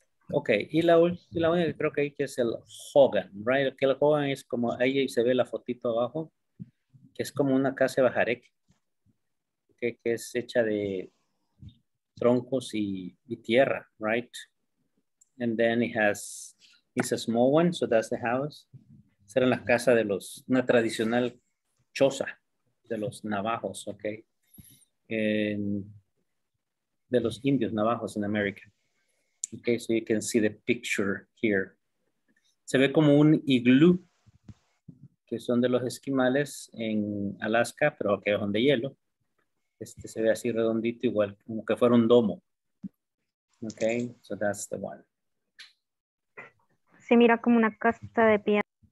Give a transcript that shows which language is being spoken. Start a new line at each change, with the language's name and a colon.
Spanish: Okay, y la única que creo que hay que es el hogan, right? Que el hogan es como ahí se ve la fotito abajo, que es como una casa de bajarec, que es hecha de troncos y tierra, right?
English: And then it has, it's a small one, so that's the house.
Spanish: Serán las casas de los, una tradicional choza de los navajos, okay? And de los indios navajos en América.
English: Okay, so you can see the picture here.
Spanish: Se ve como un iglú, que son de los esquimales en Alaska, pero que son de hielo. Este se ve así redondito, igual como que fuera un domo.
English: Okay, so that's the one.
Spanish: Se mira como una casa de piedra.